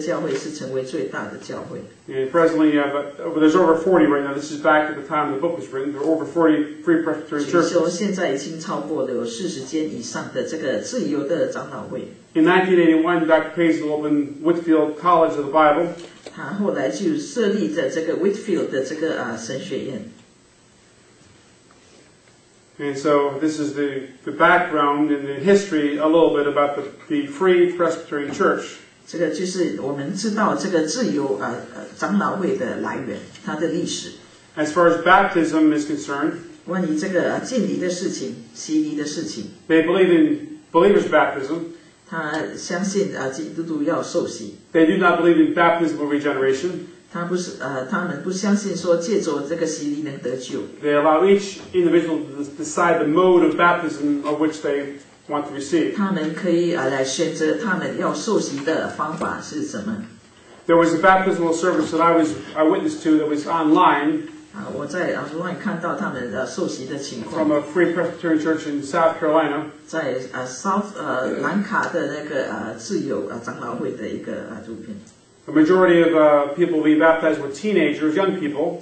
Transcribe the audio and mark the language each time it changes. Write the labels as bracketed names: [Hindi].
[English] And presently, there's over 40 right now. This is back at the time the book was written. There are over 40 free Presbyterian churches. [Chinese] 领袖现在已经超过了有40间以上的这个自由的长老会。 [English] In 1981, Dr. Paisley opened Whitfield College of the Bible. [Chinese] 他后来就设立在这个 Whitfield的这个 神学院。 [English] And so this is the background and the history a little bit about the Free Presbyterian Church. [Chinese] 这个就是我们知道这个自由, 长老会的来源, 它的历史。 [English] As far as baptism is concerned, [Chinese] 关于这个, 敬礼的事情, 洗礼的事情, [English] they believe in believer's baptism. [Chinese] 他相信, 基督徒要受洗。 [English] They do not believe in baptismal regeneration. [Chinese] 他们不相信说借着这个洗礼能得救。 [English] They allow each individual to decide the mode of baptism of which they want to receive. [Chinese] 他们可以, 来选择他们要受洗的方法是什么。 [English] There was a baptismal service that I witnessed to that was online. [Chinese] 我在 online看到他们受洗的情况。 [English] From a Free Presbyterian Church in South Carolina. [Chinese] 在 兰卡的那个自由长老会的一个图片。 [English] The majority of people being baptized were teenagers, young people.